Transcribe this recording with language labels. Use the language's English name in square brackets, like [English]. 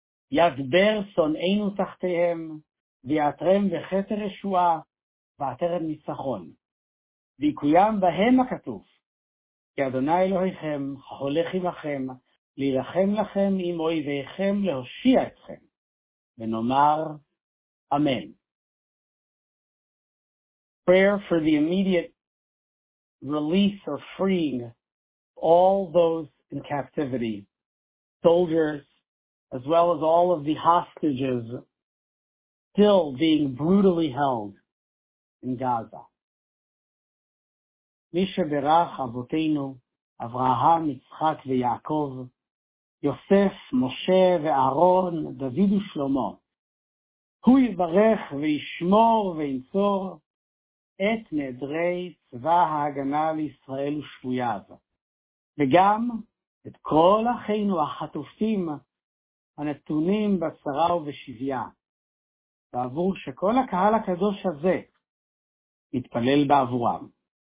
[Hebrew] ידבר שונאינו תחתיהם, ויעטרם בכתר ישועה, ועטרת ניצחון. ויקוים בהם הכתוב, כי אדוני אלוהיכם הולך עמכם, להילחם לכם עם אויביכם, להושיע אתכם, ונאמר אמן. [English] Prayer for the immediate release or freeing all those in captivity, soldiers, as well as all of the hostages still being brutally held in Gaza. [Hebrew] מי שברך אבותינו, אברהם, יצחק ויעקב, יוסף, משה ואהרון, דוד ושלמה, הוא יברך וישמור וינצור את נעדרי צבא ההגנה לישראל ושבויו, וגם את כל אחינו החטופים הנתונים בצרה ובשביה, בעבור שכל הקהל הקדוש הזה יתפלל בעבורם.